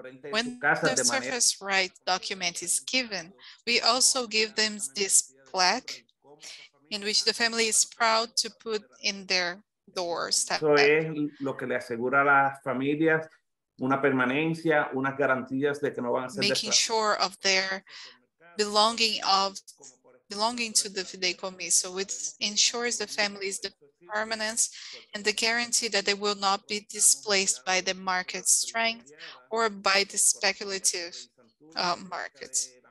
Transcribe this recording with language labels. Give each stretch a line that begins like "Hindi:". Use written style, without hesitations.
English: When the surface right document is given, we also give them this plaque in which the family is proud to put in their doors.
Spanish: Eso es lo que le asegura a las familias una permanencia, unas garantías de que no van a ser
English: making sure of their belonging to the fideicomiso, which ensures the family's permanence and the guarantee that they will not be displaced by the market strength or by the speculative markets.